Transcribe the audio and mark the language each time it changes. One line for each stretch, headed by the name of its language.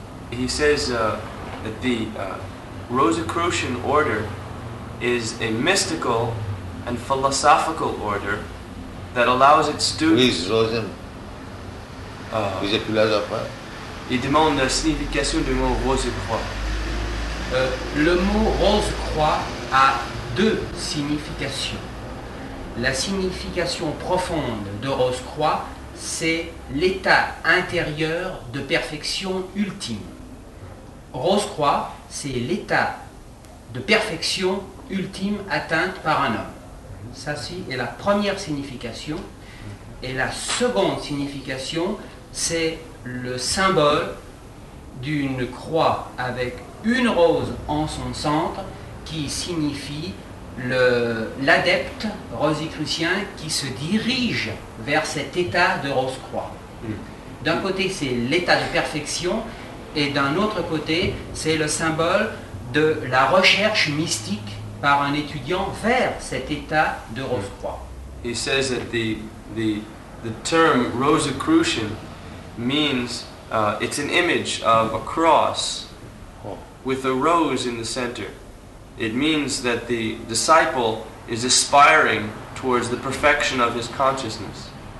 English: He says that the Rosicrucian order is a mystical and philosophical order that allows its students... Who is Rosen? Who is a philosopher?
French: Il demande la signification du mot Rose-Croix. Le mot Rose-Croix a deux significations. La signification profonde de Rose-Croix, c'est l'état intérieur de perfection ultime. Rose-croix, c'est l'état de perfection ultime atteinte par un homme. Ça, c'est la première signification. Et la seconde signification, c'est le symbole d'une croix avec une rose en son centre qui signifie l'adepte rosicrucien qui se dirige vers cet état de rose-croix. D'un côté, c'est l'état de perfection, et d'un autre côté, c'est le symbole de la recherche mystique par un étudiant vers cet état de rose-croix.
English: He says that the term Rosicrucian means it's an image of a cross with a rose in the center. It means that the disciple is aspiring towards the perfection of his consciousness.